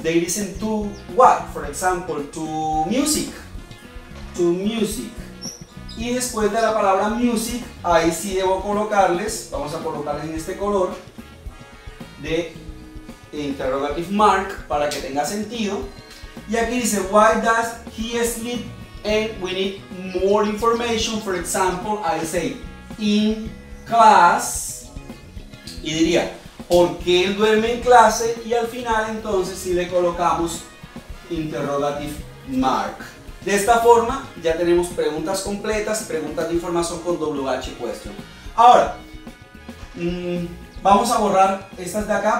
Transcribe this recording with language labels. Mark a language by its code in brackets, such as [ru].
[en] They listen to what? For example, to music. To music. [es] Y después de la palabra music, ahí sí debo colocarles, vamos a colocarles en este color de interrogative mark para que tenga sentido. Y aquí dice, [en] why does he sleep? And we need more information. For example, I say in class. [es] Y diría, ¿por qué él duerme en clase? Y al final, entonces, si le colocamos interrogative mark. De esta forma, ya tenemos preguntas completas, preguntas de información con WH question. Ahora, vamos a borrar estas de acá.